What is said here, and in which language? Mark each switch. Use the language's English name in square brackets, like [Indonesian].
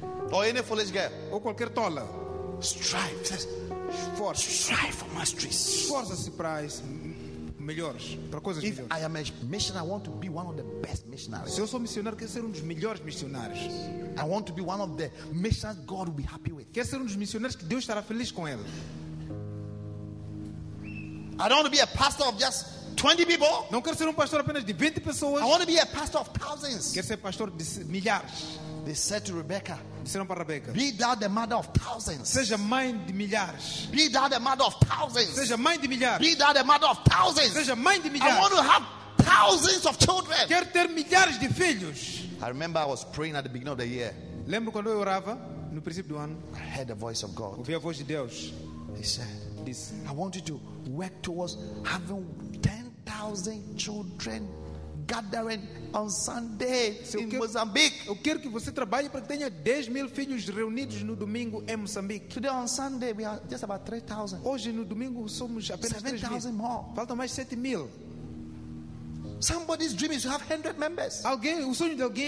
[English] Or any foolish girl. [Portuguese] Ou qualquer tola. [English] Strive. Force. Strive for mastery. [Portuguese] Força-se para melhores, para coisas [English] if [Portuguese] melhores. [English] I am a missionary, I want to be one of the best missionaries. [Portuguese] Se eu sou missionário, quero ser dos melhores missionários. [English] I want to be one of the missionaries God will be happy with. [Portuguese] Quero ser dos missionários que Deus estará feliz com ele. [English] I don't want to be a pastor of just 20 people. [Portuguese] Não quero ser pastor apenas de 20 pessoas. [English] I want to be a pastor of thousands. [Portuguese] Quero ser pastor de milhares. [English] They said to Rebecca, [Portuguese] disseram para Rebecca, [English] be thou the mother of thousands. [Portuguese] Seja mãe de milhares. [English] Be thou the mother of thousands. [Portuguese] Seja mãe de milhares. [English] Be thou the mother of thousands. [Portuguese] Seja mãe de milhares. [English] I want to have thousands of children. [Portuguese] Quero ter milhares de filhos. [English] I remember I was praying at the beginning of the year. [Portuguese] Lembro quando eu orava no princípio do ano. [English] I heard the voice of God. [Portuguese] Ouvi a voz de Deus. [English] He said, this, I want you to work towards having 10,000 children. Gathering on Sunday in Mozambique. [Portuguese] Eu quero que você trabalhe para que tenha 10 mil filhos reunidos no domingo em Moçambique. [English] Today on Sunday we are just about 3,000. [Portuguese] Hoje no domingo somos apenas [English] 7,000 more. [Portuguese] Faltam mais 7 mil. [English] Somebody's dream is to have 100 members. [Portuguese] Alguém, o sonho de alguém.